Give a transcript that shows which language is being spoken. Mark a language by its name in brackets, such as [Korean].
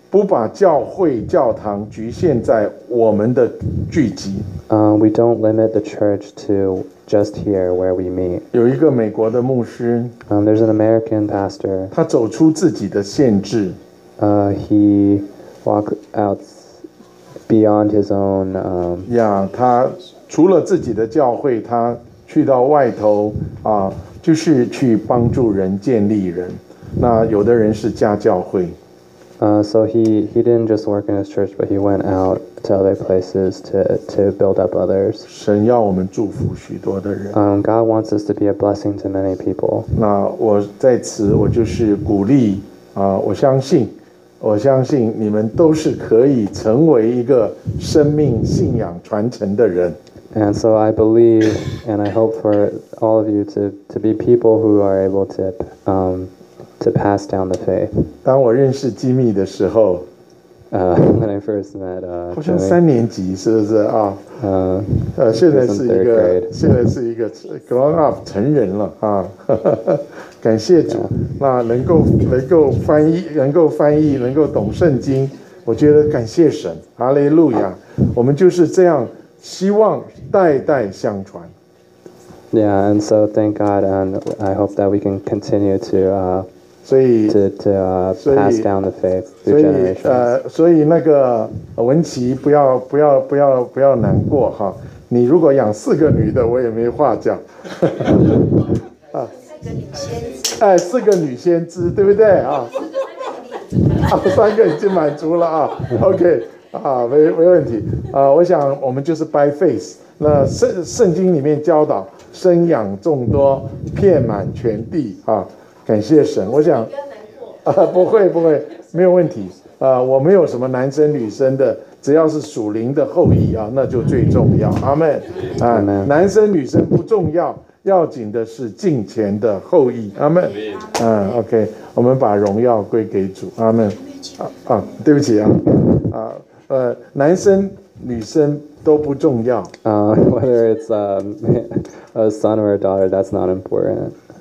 [Chinese] 不把教会教堂局限在我们的聚集。 [English] We don't limit the church to just here where we meet. [Chinese] 有一个美国的牧师。 [English] There's an American pastor. [Chinese] 他走出自己的限制。 [English] He walked out beyond his own. [Chinese] 他除了自己的教会，他去到外头啊，就是去帮助人建立人。那有的人是家教会。 [English] So he didn't just work in his church, but he went out to other places to build up others. [Chinese] 神要我们祝福许多的人。 [English] God wants us to be a blessing to many people. [Chinese] 那我在此我就是鼓励我相信你们都是可以成为一个生命信仰传承的人。 [English] And so I believe and I hope for all of you to be people who are able to to pass down the faith. [Chinese] 当我认识基密的时候 [English] when I first met, [Chinese] 好像三年级是不是啊？现在是一个 grown up 成人了啊！感谢主， yeah. 那能够翻译，能够懂圣经，我觉得感谢神，哈利路亚！我们就是这样，希望代代相传。 [English] Yeah, and so thank God, and I hope that we can continue to pass down the faith through generations. [Chinese] 所以那个文琪不要难过哈，你如果养四个女的，我也没话讲。四个女先知，对不对啊？三个已经满足了啊。 OK， 没问题啊。我想我们就是 [English] by faith， [Chinese] 那圣经里面教导生养众多，遍满全地啊。感谢神，我想，不会不会，没有问题，我没有什么男生女生的，只要是属灵的后裔啊，那就最重要，阿们，男生女生不重要，要紧的是敬虔的后裔，阿们，OK， 我们把荣耀归给主，阿们，对不起啊，男生女生都不重要 [English] ，whether it's a son or a daughter, that's not important.